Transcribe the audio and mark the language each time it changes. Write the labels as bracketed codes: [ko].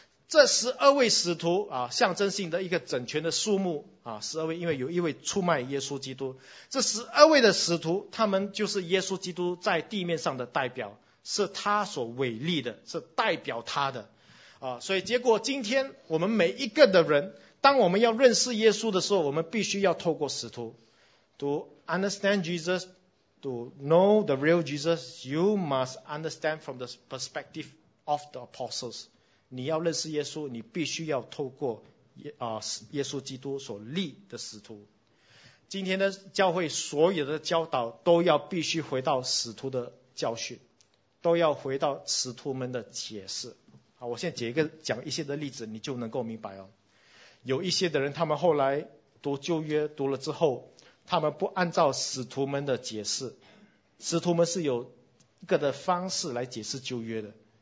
[zh] 这十二位使徒啊，象征性的一个整全的数目啊，十二位，因为有一位出卖耶稣基督。这十二位的使徒，他们就是耶稣基督在地面上的代表，是他所委立的，是代表他的啊。所以，结果今天我们每一个的人，当我们要认识耶稣的时候，我们必须要透过使徒。 [en] To understand Jesus, to know the real Jesus, you must understand from the perspective of the apostles. [zh] 你要认识耶稣，你必须要透过耶稣基督所立的使徒。今天的教会所有的教导都要必须回到使徒的教训，都要回到使徒们的解释。好，我现在讲一些的例子，你就能够明白哦。有一些的人，他们后来读旧约读了之后，他们不按照使徒们的解释，使徒们是有一个的方式来解释旧约的。